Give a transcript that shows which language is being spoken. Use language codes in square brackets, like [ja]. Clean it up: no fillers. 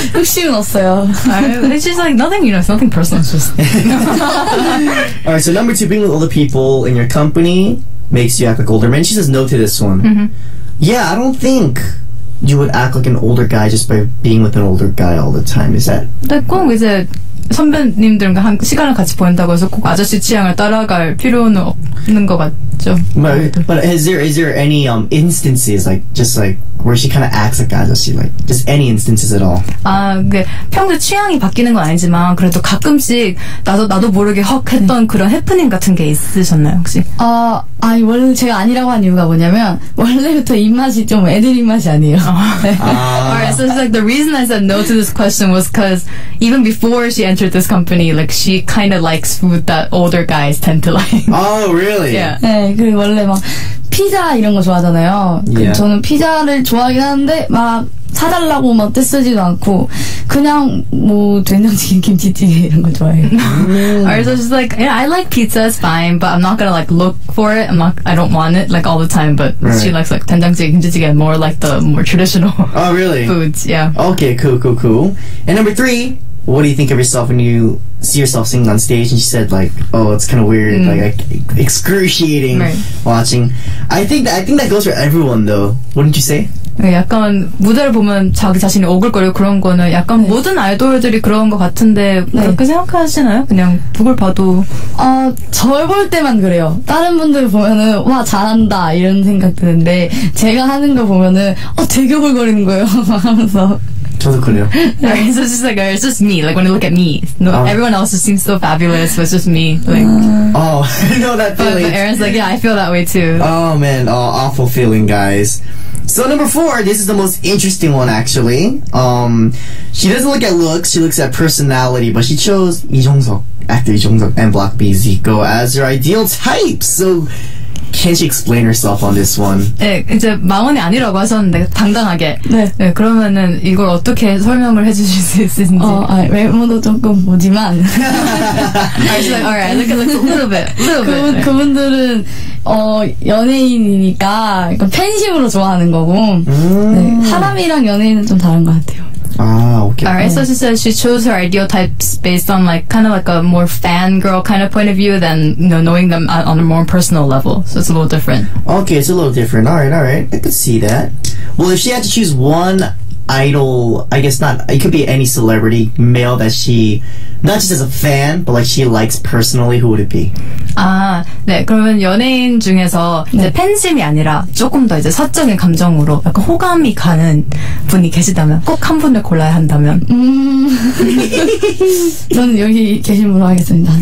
[ko] 혹시 없어요. [en] It's just like nothing, you know, it's nothing personal. It's just... All right, so number two, being with older people in your company makes you act like older men. She says no to this one. Mm-hmm. Yeah, I don't think... You would act like an older guy just by being with an older guy all the time. Is that? [ko] 네, 꼭 이제 선배님들과 한 시간을 같이 보낸다고 해서 꼭 아저씨 취향을 따라갈 필요는 없는 것 같죠. [en] But is there any instances like just like where she kind of acts like 아저씨 like just any instances at all? [ko] 아, 그 평소 취향이 바뀌는 건 아니지만 그래도 가끔씩 나도 모르게 헉 했던 네. 그런 해프닝 같은 게 있으셨나요 혹시? 아 아니 원래 제가 아니라고 한 이유가 뭐냐면 원래부터 입맛이 좀 애들 입맛이 아니에요. [en] Alright, so it's like the reason I said no to this question was because even before she entered this company, like she kind of likes food that older guys tend to like. Oh, really? Yeah. [ko] 네, 그 원래 막 피자 이런 거 좋아하잖아요. 그 [en] yeah. [ko] 저는 피자를 좋아하긴 하는데 막 사달라고 막 뜻쓰지도 않고 그냥 뭐 된장찌개 김치찌개 이런 거 좋아해요. [en] Alright, so she's like, yeah, I like pizza, it's fine, but I'm not gonna like look for it. I don't want it like all the time, but right. She likes like 된장찌개 김치찌개 more like the more traditional oh, really? foods. Yeah. Okay, cool. And number three, what do you think of yourself when you see yourself singing on stage? And she said like, oh, it's kind of weird, excruciating right. watching. I think that goes for everyone though. Wouldn't you say? [ko] 약간 무대를 보면 자기 자신이 오글거리고 그런 거는 약간 네. 모든 아이돌들이 그런 것 같은데 그렇게 네. 생각하시나요? 그냥 누굴 봐도 아, 저를 볼 때만 그래요. 다른 분들 보면은 와 잘한다 이런 생각 드는데 제가 하는 거 보면은 되게 오글거리는 거예요 막 하면서 저도 그래요. [en] Right, so it's just like it's just me. Like when you look at me, no, everyone else just seems so fabulous, but it's just me. Like, oh, I know that feeling. But Aaron's like, yeah, I feel that way too. Oh man, oh, awful feeling, guys. So number four, this is the most interesting one actually. She doesn't look at looks; she looks at personality. But she chose Lee Jong-suk, actor Lee Jong-suk, and Block B Zico as her ideal type. So. Can she explain herself on this one? [ko] 네, 이제 망언이 아니라고 하셨는데 당당하게. 네. 네, 그러면은 이걸 어떻게 설명을 해주실 수 있으신지. 외모도 조금 보지만. [en] Alright, look at looks a little bit. Little bit. [ko] 그분들은 연예인이니까 약간 팬심으로 좋아하는 거고 네, 사람이랑 연예인은 좀 다른 것 같아요. 아, 오케이. [en] Alright, so she says she chose her ideal types based on like kind of like a more fangirl kind of point of view than you know, knowing them on a more personal level. So it's a little different. Okay, it's a little different. Alright. I could see that. Well, if she had to choose one idol, I guess not, it could be any celebrity male that she, not just as a fan, but like she likes personally, who would it be? [ko] 아, 네. 그러면 연예인 중에서 이제 네. 팬심이 아니라 조금 더 이제 사적인 감정으로 약간 호감이 가는 분이 계시다면 꼭 한 분을 골라야 한다면 저는 여기 계신 분으로 하겠습니다.